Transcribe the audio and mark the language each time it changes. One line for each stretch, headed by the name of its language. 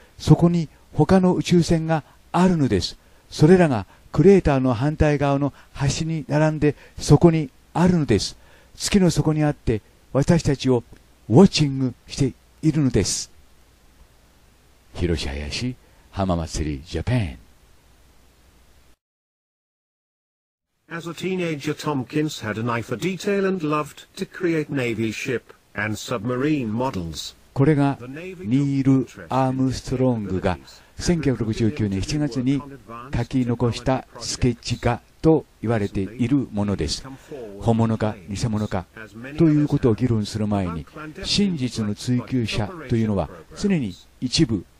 Japanese: そこに他の宇宙船があるのです。それらがクレーターの反対側の端に並んでそこにあるのです。月の底にあって私たちをウォッチングしているのです。広瀬林、浜祭りジャパン。
English: As a teenager, Tompkins had an eye for detail and loved to create Navy ship and submarine models.
Japanese: これがニール・アームストロングが1969年7月に書き残したスケッチ画と言われているものです。本物か偽物かということを議論する前に、真実の追求者というのは常に一部